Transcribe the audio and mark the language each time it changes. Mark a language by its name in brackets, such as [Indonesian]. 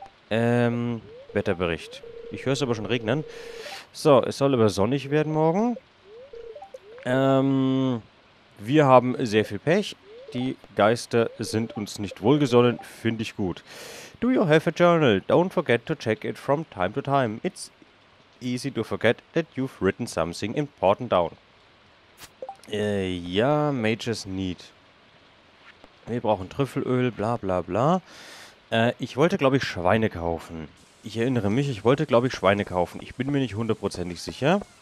[German] Wetterbericht. Ich höre es aber schon regnen. So, es soll aber sonnig werden morgen. Wir haben sehr viel Pech. Die Geister sind uns nicht wohlgesonnen. Finde ich gut. [English] Do you have a journal? Don't forget to check it from time to time. It's easy to forget that you've written something important down. Ja, Mages need. [German] Wir brauchen Trüffelöl, bla bla bla. Ich wollte, glaube ich, Schweine kaufen. Ich erinnere mich, ich wollte, glaube ich, Schweine kaufen. Ich bin mir nicht hundertprozentig sicher.